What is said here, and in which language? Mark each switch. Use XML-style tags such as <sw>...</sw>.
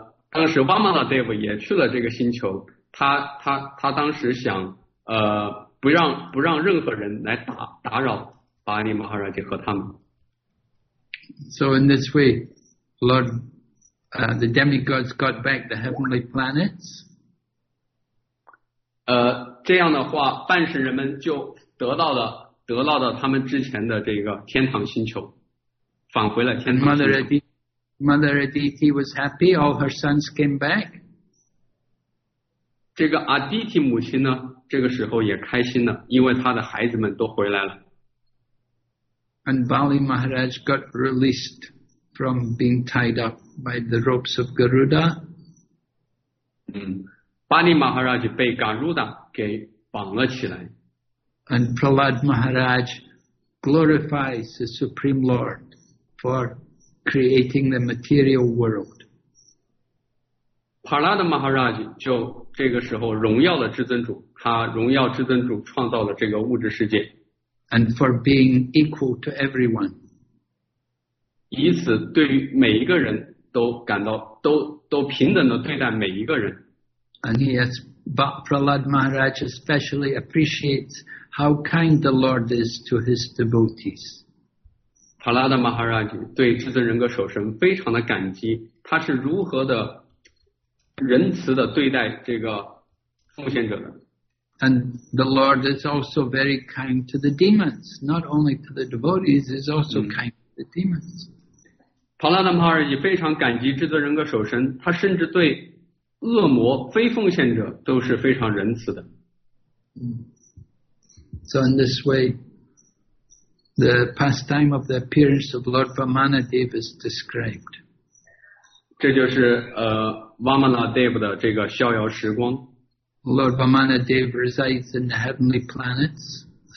<zh>当时 Vamanadeva 也去了这个星球，他当时想不让任何人来打扰巴利马哈拉吉和他们。</zh> <en>So in this way, Lord, the demigods got back the heavenly planets.</en> <zh>这样的话，半神人们就得到了他们之前的这个天堂星球，返回了天堂星球。</zh> <en>Mother Aditi was happy, all her sons came back.</en> <zh>这个 Aditi 母亲呢，这个时候也开心了，因为她的孩子们都回来了。</zh> <en>And Bali Maharaj got released from being tied up by the ropes of Garuda.</en> <zh>Bali Maharaj 被 Garuda 给绑了起来。</zh> <en>And Prahlad Maharaj glorifies the Supreme Lord for creating the material world.</en> <zh>Prahlad Maharaj 就这个时候荣耀了至尊主，他荣耀至尊主创造了这个物质世界。</zh> <en>And for being equal to everyone.</en> <zh>以此对于每一个人都感到都平等的对待每一个人。</zh> <en>And yes, Prahlad Maharaj especially appreciates how kind the Lord is to his devotees.</en> <zh>帕拉德马哈拉吉对至尊人格守神非常的感激，他是如何的仁慈的对待这个奉献者的。</zh> <en>And the Lord is also very kind to the demons, not only to the devotees, is also kind to the demons.</en> <zh>帕拉德马哈拉吉非常感激至尊人格守神，他甚至对恶魔非奉献者都是非常仁慈的。</zh> <en>So in this way,The pastime of the appearance of Lord Vamanadeva is described.</en> <zh>这就是Vamanadeva 的这个逍遥时光。</zh> <en>Lord Vamanadeva resides in the heavenly planets, the</en>